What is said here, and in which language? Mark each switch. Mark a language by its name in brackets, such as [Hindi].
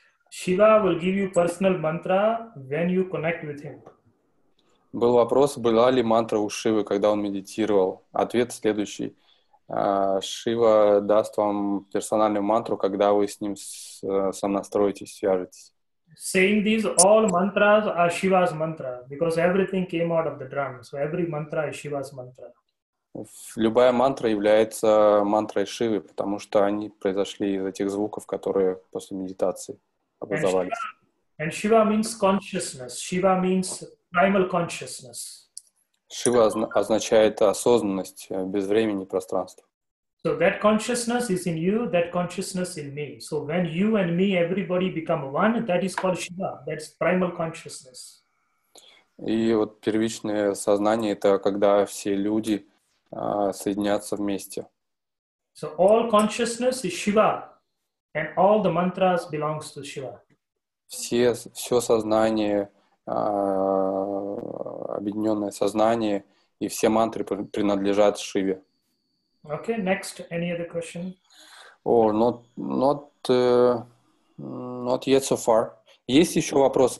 [English] Shiva will give you personal mantra when you connect with him. [Russian] Был вопрос, была ли мантра у Шивы, когда он медитировал. Ответ следующий. Шива даст вам персональную мантру, когда вы с ним сонастроитесь, свяжетесь. [English] Saying these, all mantras are Shiva's mantra, because everything came out of the drum. So every mantra is Shiva's mantra. [Russian] Любая мантра является мантрой Шивы, потому что они произошли из этих звуков, которые после медитации образовались. [English] And Shiva means consciousness. Shiva means primal consciousness. [Russian] Шива означает осознанность без времени и пространства. [English] So that consciousness is in you, that consciousness in me. So when you and me, everybody become one, that is called Shiva. That's primal consciousness. [Russian] И вот первичное сознание — это когда все люди соединятся вместе. [English] So all consciousness is Shiva, and all the mantras belongs to Shiva. [Russian] Все сознание объединенное сознание и все мантры принадлежат Шиве. [English] Okay, next, any other question? Not yet so far. [Russian] Есть еще вопросы?